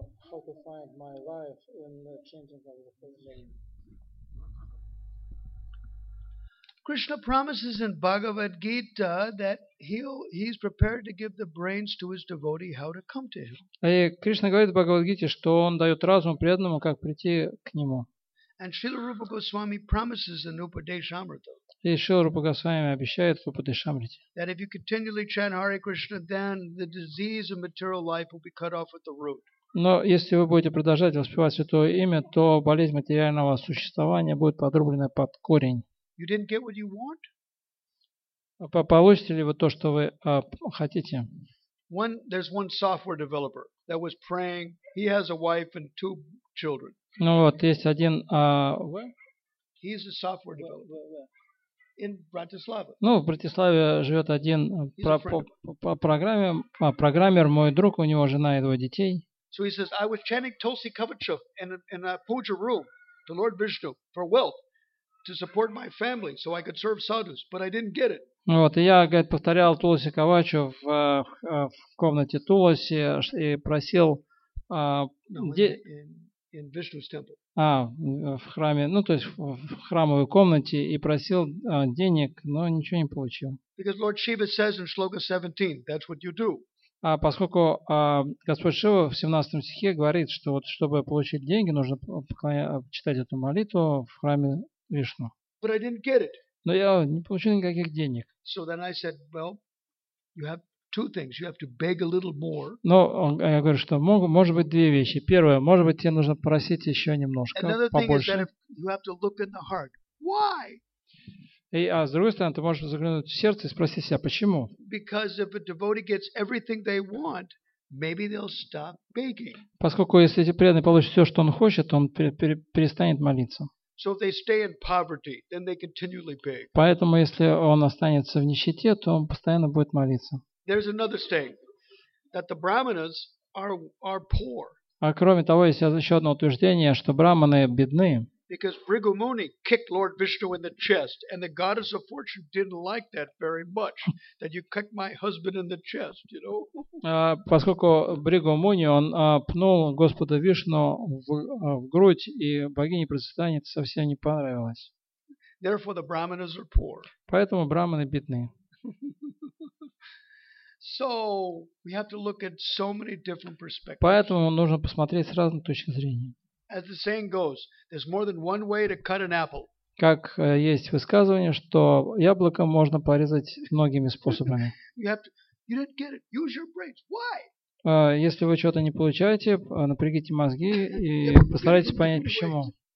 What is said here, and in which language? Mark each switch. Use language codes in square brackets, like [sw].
[en] How to find my life in the changing of the Holy Name. Krishna promises in Bhagavad Gita that he's prepared to give the brains to his devotee how to come to him. [ru] И Кришна говорит в Бхагавад Гите, что он дает разум преданному, как прийти к нему. [en] And Śrīla Rūpa Gosvāmī promises in Upadeśamrita. [ru] И Śrīla Rūpa Gosvāmī обещает в Упадешамрите. [en] That if you continually chant Hare Krishna, then the disease of material life will be cut off at the root. [ru] Но если вы будете продолжать воспевать святое имя, то болезнь материального существования будет подрублена под корень. [en] You didn't get what you want? [ru] Получите ли вы то, что вы хотите? [en] There's one software developer that was praying. He has a wife and 2 children. [ru] Ну вот, есть один... [en] He's a software developer in Bratislava. [ru] Ну, в Братиславе живет один программер, мой друг, у него жена и 2 детей. [en] So he says, I was chanting Tulsi Kavacha in a puja room to Lord Vishnu for wealth to support my family so I could serve sadhus, but I didn't get it. [ru] Вот, и я, говорит, повторял Туласи Кавачу в комнате Туласи и просил в храме, ну, то есть в храмовой комнате и просил денег, но ничего не получил. [en] Because Lord Shiva says in Shloka 17, that's what you do. [ru] А поскольку Господь Шива в 17 стихе говорит, что вот чтобы получить деньги, нужно читать эту молитву в храме Вишну. [en] But I didn't get it. [ru] Но я не получил никаких денег. [en] So then I said, well, you have two things. You have to beg a little more. [ru] Но я говорю, что может быть две вещи. Первое, может быть, тебе нужно просить еще немножко, побольше. [en] Another thing is that you have to look in the heart. Why? [ru] И, а с другой стороны, ты можешь заглянуть в сердце и спросить себя, почему? [en] Because if a devotee gets everything they want, maybe they'll stop begging. [ru] Поскольку если эти преданные получат все, что он хочет, он перестанет молиться. [en] So if they stay in poverty, then they continually beg. [ru] Поэтому если он останется в нищете, то он постоянно будет молиться. [en] There's another thing that the brahmanas are poor. [ru] А кроме того, есть еще одно утверждение, что брахманы бедны. [en] Because Bhrigu Muni kicked Lord Vishnu in the chest, and the goddess of fortune didn't like that very much. That you kicked my husband in the chest, you know. [ru] Поскольку Бригу Муни он пнул Господа Вишну в грудь, и богине процветания это совсем не понравилось. [en] Therefore, the brahmanas are poor. [ru] Поэтому брахманы бедны. [en] So we have to look at so many different perspectives. [ru] Поэтому нужно посмотреть с разных точек зрения. [en] As the saying goes, there's more than one way to cut an apple. [ru] Как есть высказывание, что яблоко можно порезать многими способами. [en] You didn't get it. Use your brains. Why? [ru] Если вы что-то не получаете, напрягите мозги и постарайтесь понять почему.